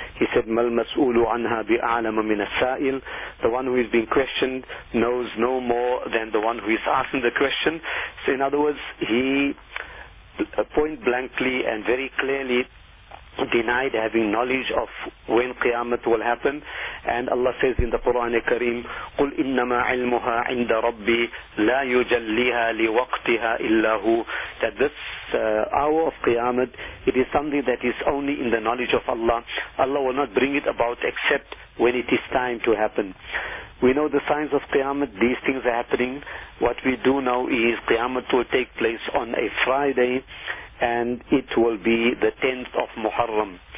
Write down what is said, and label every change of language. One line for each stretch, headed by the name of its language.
English: He said,
Arabic: "Mal mas'ulu anha bi'alama min as-sa'il."
English: The one who is being questioned knows no more than the one who is asking the question. So in other words, he point blankly and very clearly denied having knowledge of when Qiyamah will happen. And Allah says in the Quran Kareem,
Arabic: قُلْ إِنَّمَا عِلْمُهَا عِنْدَ رَبِّي لَا يُجَلِّيهَا لِوَقْتِهَا إِلَّهُ.
English: That this hour of Qiyamah, it is something that is only in the knowledge of Allah. Allah will not bring it about except when it is time to happen. We know the signs of Qiyamah, these things are happening. What we do know is Qiyamah will take place on a Friday, and it will be the 10th of Muharram.